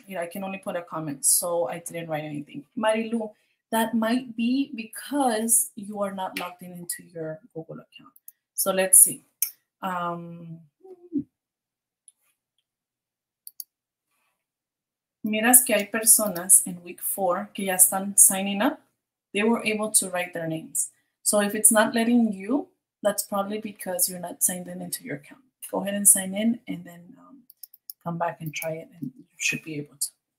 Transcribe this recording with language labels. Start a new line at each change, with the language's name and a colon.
English: You know, I can only put a comment, so I didn't write anything. Marilu, that might be because you are not logged in into your Google account. So let's see.
Spanish: Miras que hay personas
English: in week 4
Spanish: que ya están
English: signing up. They were able to write their names. So if it's not letting you, that's probably because you're not signed in into your account. Go ahead and sign in and then come back and try it and you should be able to.